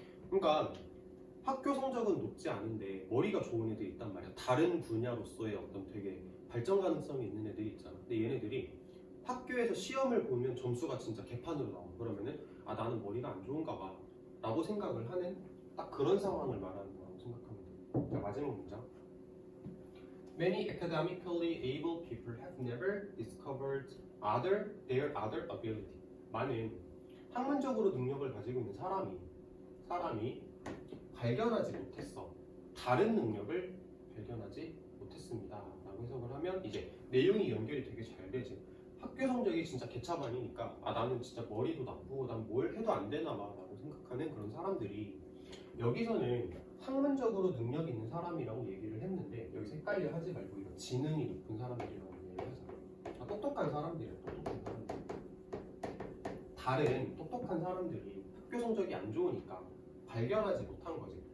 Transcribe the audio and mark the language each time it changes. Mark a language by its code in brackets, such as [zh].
[ko] 그러니까 학교 성적은 높지 않은데 머리가 좋은 애들이 있단 말이야. 다른 분야로서의 어떤 되게 발전 가능성이 있는 애들이 있잖아. 근데 얘네들이 학교에서 시험을 보면 점수가 진짜 개판으로 나와. 그러면은 아, 나는 머리가 안 좋은가 봐 라고 생각을 하는, 딱 그런 상황을 말하는 거라고 생각하면 돼. 자, 마지막 문장. [en] Many academically able people have never discovered their other ability. [ko] 많은 학문적으로 능력을 가지고 있는 사람이 발견하지 못했어. 다른 능력을 발견하지 못했습니다 라고 해석을 하면 이제 내용이 연결이 되게 잘 되지. 학교 성적이 진짜 개차반이니까 아, 나는 진짜 머리도 나쁘고 난 뭘 해도 안 되나 봐 라고 생각하는 그런 사람들이, 여기서는 학문적으로 능력 있는 사람이라고 얘기를 했는데 여기서 헷갈려 하지 말고 이런 지능이 높은 사람들이라고 얘기를 해서, 아, 똑똑한 사람들이 학교 성적이 안 좋으니까 발견하지 못한 거지.